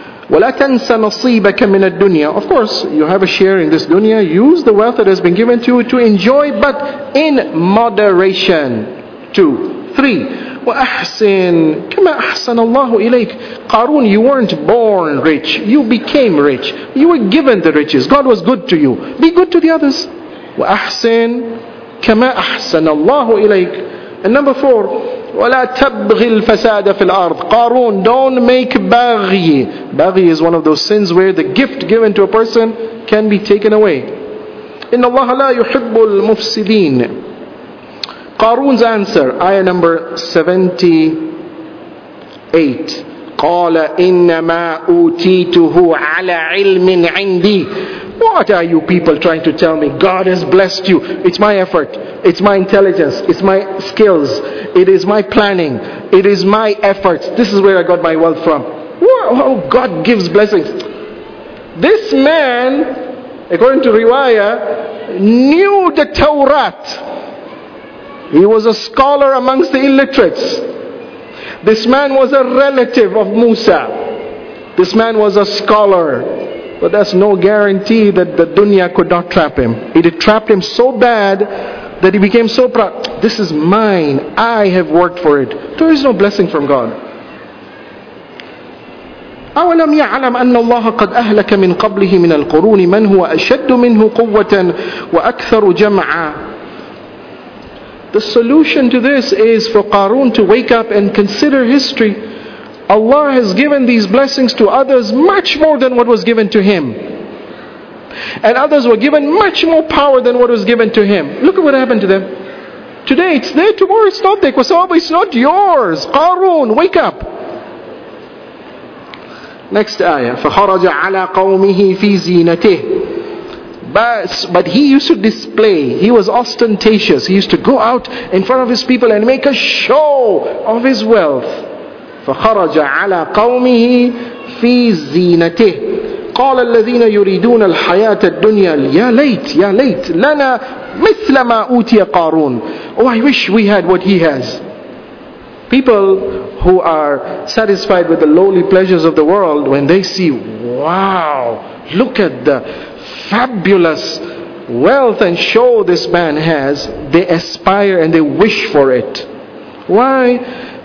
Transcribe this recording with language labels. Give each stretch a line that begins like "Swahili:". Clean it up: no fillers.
Arabic: وَلَا تَنْسَ نَصِيبَكَ مِنَ الدُّنْيَا
English: Of course, you have a share in this dunya. Use the wealth that has been given to you to enjoy, but in moderation. 2. 3.
Arabic: وَأَحْسِن كَمَا أَحْسَنَ اللَّهُ إِلَيْكَ
English: Qarun, you weren't born rich. You became rich. You were given the riches. God was good to you. Be good to the others.
Arabic: وَأَحْسِن كَمَا أَحْسَنَ اللَّهُ إِلَيْكَ And 4. وَلَا تَبْغِ الْفَسَادَ فِي الْأَرْضِ
English: Qarun, don't make baghi. Baghi is one of those sins where the gift given to a person can be taken away.
Arabic: إِنَّ اللَّهَ لَا يُحِبُّ الْمُفْسِدِينَ
English: Qarun's answer, ayah number 78.
Arabic: قَالَ إِنَّمَا أُوتِيتُهُ عَلَىٰ عِلْمٍ عِنْدِي
English: What are you people trying to tell me? God has blessed you. It's my effort. It's my intelligence. It's my skills. It is my planning. It is my efforts. This is where I got my wealth from. Whoa, God gives blessings. This man, according to riwayah, knew the Torah. He was a scholar amongst the illiterates. This man was a relative of Musa. This man was a scholar. But that's no guarantee that the dunya could not trap him. It had trapped him so bad that he became so proud. This is mine. I have worked for it. There is no blessing from God.
Arabic: أَوَلَمْ يَعْلَمْ أَنَّ اللَّهَ قَدْ أَهْلَكَ مِنْ قَبْلِهِ مِنَ الْقُرُونِ مَنْ هُوَ أَشَدُّ مِنْهُ قُوَّةً وَأَكْثَرُ جَمْعًا
English: The solution to this is for Qarun to wake up and consider history. Allah has given these blessings to others much more than what was given to him. And others were given much more power than what was given to him. Look at what happened to them. Today it's there, tomorrow it's not there. Kwasababu, it's not yours. Qarun, wake up. Next ayah.
Arabic: فَخَرَجَ عَلَىٰ قَوْمِهِ فِي زِينَتِهِ
English: But he used to display, he was ostentatious. He used to go out in front of his people and make a show of his wealth.
Arabic: فَخَرَجَ عَلَىٰ قَوْمِهِ فِي زِينَتِهِ قَالَ الَّذِينَ يُرِيدُونَ الْحَيَاةَ الدُّنْيَا يَا لَيْتْ لَنَا مِثْلَ مَا أُوتِيَ قَارُونَ
English: Oh, I wish we had what he has. People who are satisfied with the lowly pleasures of the world, when they see, wow, look at the fabulous wealth and show this man has, they aspire and they wish for it. Why?